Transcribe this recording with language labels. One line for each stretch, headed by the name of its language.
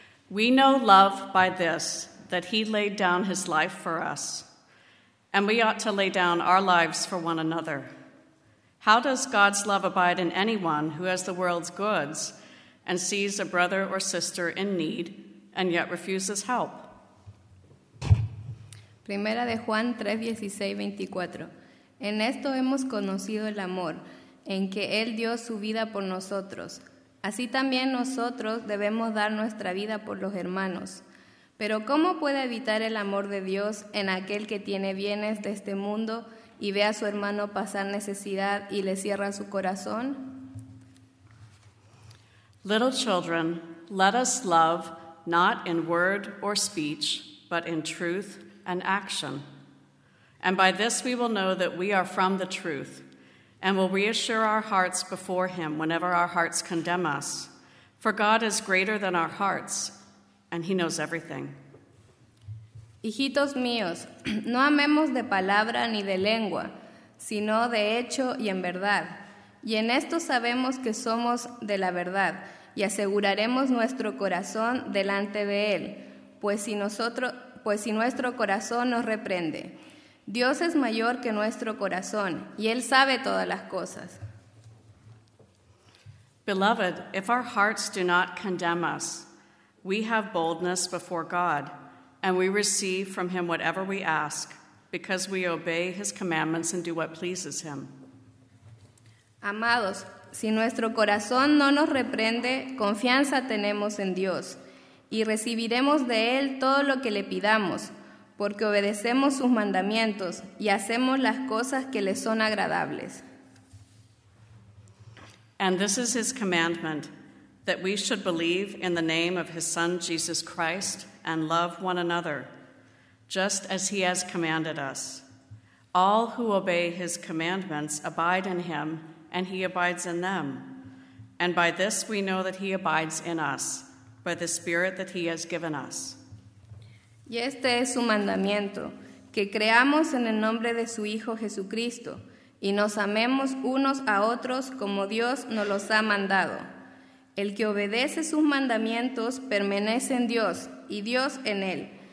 English: We know love by this, that he laid down his life for us, and we ought to lay down our lives for one another. How does God's love abide in anyone who has the world's goods and sees a brother or sister in need and yet refuses help?
Spanish: Primera de Juan 3, 16, 24. En esto hemos conocido el amor, en que Él dio su vida por nosotros. Así también nosotros debemos dar nuestra vida por los hermanos. Pero ¿cómo puede evitar el amor de Dios en aquel que tiene bienes de este mundo y ve a su hermano pasar necesidad y le cierra su corazón?
English: Little children, let us love not in word or speech, but in truth and action. And by this we will know that we are from the truth, and will reassure our hearts before Him whenever our hearts condemn us. For God is greater than our hearts, and He knows everything.
Spanish: Hijitos míos, no amemos de palabra ni de lengua, sino de hecho y en verdad. Y en esto sabemos que somos de la verdad, y aseguraremos nuestro corazón delante de Él, pues si nuestro corazón nos reprende. Dios es mayor que nuestro corazón, y Él sabe todas las cosas.
English: Beloved, if our hearts do not condemn us, we have boldness before God, and we receive from Him whatever we ask, because we obey His commandments and do what pleases Him.
Spanish: Amados, si nuestro corazón no nos reprende, confianza tenemos en Dios, y recibiremos de Él todo lo que le pidamos, porque obedecemos sus mandamientos y hacemos las cosas que le son agradables.
English: And this is His commandment, that we should believe in the name of His Son, Jesus Christ, and love one another, just as He has commanded us. All who obey His commandments abide in Him, and He abides in them. And by this we know that He abides in us, by the Spirit that He has given us.
Spanish: Y este es su mandamiento, que creamos en el nombre de su Hijo Jesucristo y nos amemos unos a otros como Dios nos los ha mandado. El que obedece sus mandamientos permanece en Dios y Dios en él.